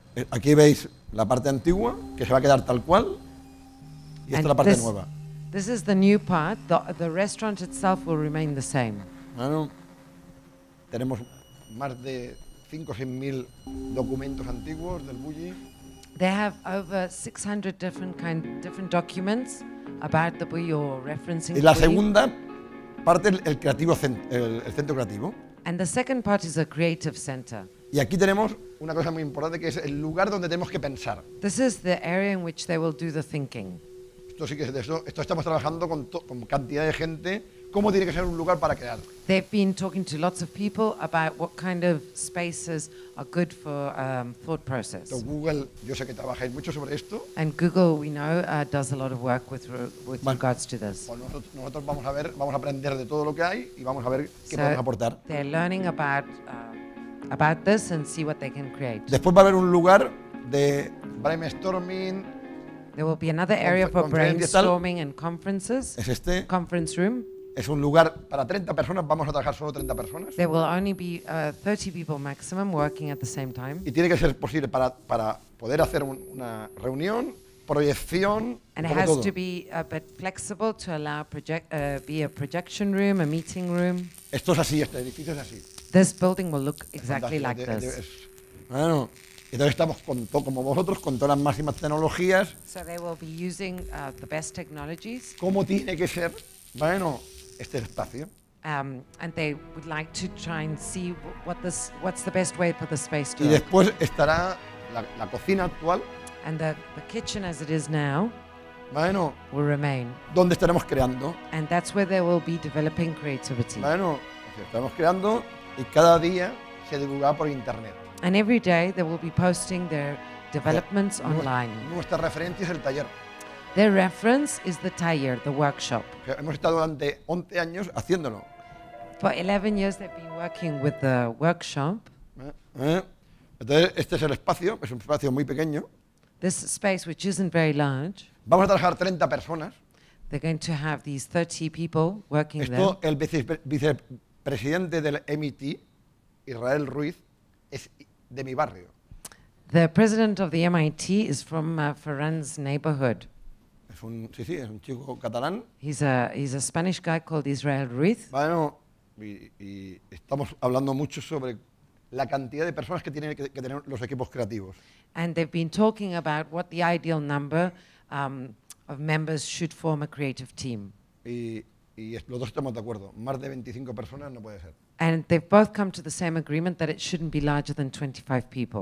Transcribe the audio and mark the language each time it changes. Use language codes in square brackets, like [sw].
[es] Aquí veis la parte antigua, que se va a quedar tal cual, y esta es la parte nueva. [en] This is the new part. The restaurant itself will remain the same. [es] Bueno, tenemos más de 5,000 [en] or [es] 6,000 documentos antiguos del Bulli. [en] They have over 600 different documents about the Bulli or referencing. [es] Y la segunda parte es el centro creativo. [en] And the second part is a creative center. [es] Y aquí tenemos una cosa muy importante que es el lugar donde tenemos que pensar. [en] This is the area in which they will do the thinking. [es] Esto sí que es de eso. Esto estamos trabajando con cantidad de gente. ¿Cómo tiene que ser un lugar para crear? [en] They've been talking to lots of people about what kind of spaces are good for thought process. [es] Entonces, Google, yo sé que trabajáis mucho sobre esto. [en] And Google, we know, does a lot of work with [es] bueno, [en] regards to this. [es] Pues nosotros vamos a ver, vamos a aprender de todo lo que hay y vamos a ver qué podemos aportar. [en] They're learning about this and see what they can create. [es] Después va a haber un lugar de brainstorming. [en] There will be another area for brainstorming and conferences. [es] Es este. [en] Conference room. [es] Es un lugar para 30 personas, vamos a trabajar solo 30 personas. [en] There will only be 30 people maximum working at the same time. [es] Y tiene que ser posible para poder hacer una reunión, proyección, [en] and it has to be a bit flexible to allow be a projection room, a meeting room. [es] Esto es así, este edificio es así. [en] This building will look exactly like this. [es] Bueno, entonces estamos con todo, como vosotros, con todas las máximas tecnologías. [en] So they will be using the best technologies. [es] ¿Cómo tiene que ser? Bueno, este espacio. [en] And they would like to try and see what's the best way for the space to [es] Y después estará la cocina actual. [en] And the kitchen as it is now. [es] Bueno, [en] will remain. [es] ¿Dónde estaremos creando? [en] And that's where they will be developing creativity. [es] Bueno, estamos creando y cada día se divulgará por internet. [en] And every day they will be posting their developments online. [es] Nuestra referencia es el taller. [en] Their reference is the taller, the workshop. [es] Hemos estado durante 11 años haciéndolo. [en] For 11 years they've been working with the workshop. [es] Entonces, este es el espacio, es un espacio muy pequeño. [en] This space, which isn't very large. [es] Vamos a trabajar 30 personas. [en] They're going to have these 30 people working [es] Esto, [en] there. [es] El vicepresidente del MIT, Israel Ruiz, es de mi barrio. [en] The president of the MIT is from Ferran's neighborhood. [es] Es un chico catalán. [en] He's a Spanish guy called Israel Ruiz. [es] Bueno, y estamos hablando mucho sobre la cantidad de personas que tienen que tener los equipos creativos. [en] And they've been talking about what the ideal number of members should form a creative team. [es] Y los dos estamos de acuerdo. Más de 25 personas no puede ser. [en] And they've both come to the same agreement that it shouldn't be larger than 25 people.